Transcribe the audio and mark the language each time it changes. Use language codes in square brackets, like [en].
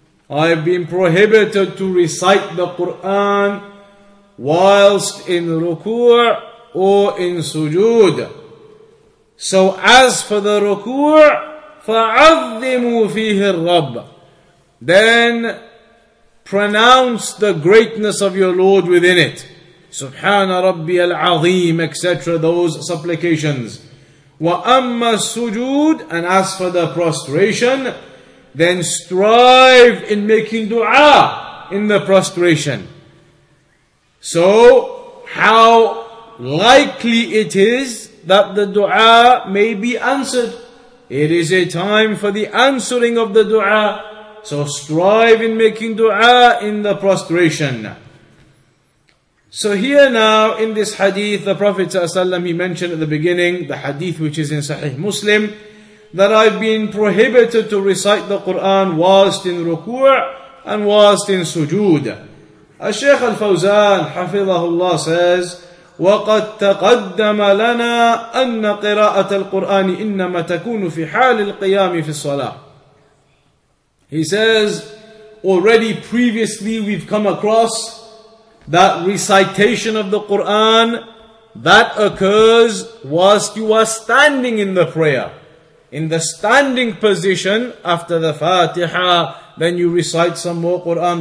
[en] I've been prohibited to recite the Quran whilst in ruku' or in sujood. So as for the ruku', [ar] فَعَظِّمُوا فِيهِ الرَّبَّ, [en] then pronounce the greatness of your Lord within it. [ar] سُبْحَانَ رَبِّيَ الْعَظِيمِ, etc. [en] Those supplications. [ar] وَأَمَّا السُّجُودِ, [en] and as for the prostration, then strive in making dua in the prostration. So how likely it is that the dua may be answered. It is a time for the answering of the dua. So strive in making dua in the prostration. So here now in this hadith, the Prophet ﷺ, he mentioned at the beginning, the hadith which is in Sahih Muslim, that I've been prohibited to recite the Quran whilst in ruku' and whilst in sujood. [ar] Al-Shaykh Al-Fawzan, hafidhahullah, [en] says, [ar] وَقَدْ تَقَدَّمَ لَنَا أَنَّ قِرَاءَةَ الْقُرْآنِ إِنَّمَا تَكُونُ فِي حَالِ الْقِيَامِ فِي الصَّلَاةِ. [en] He says, already previously we've come across that recitation of the Qur'an that occurs whilst you are standing in the prayer. In the standing position after the Fatiha, then you recite some more Qur'an.